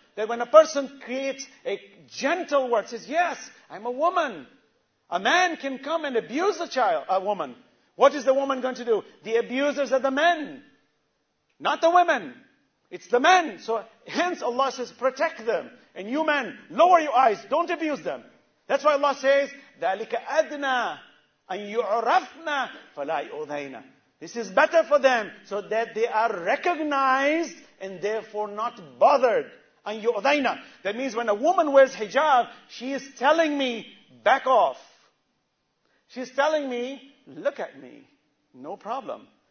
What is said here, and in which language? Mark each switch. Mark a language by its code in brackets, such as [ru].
[en] That when a person creates a gentle word, says, yes, I'm a woman. A man can come and abuse a woman. What is the woman going to do? The abusers are the men, not the women. It's the men. So hence Allah says, protect them. And you men, lower your eyes, don't abuse them. That's why Allah says, [ar] ذَلِكَ أَدْنَى أَنْ يُعْرَفْنَا فَلَا يُؤْذَيْنَا. [en] This is better for them, so that they are recognized and therefore not bothered. And [ar] يُعْذَيْنَا. [en] That means when a woman wears hijab, she is telling me, back off. She's telling me, look at me, no problem.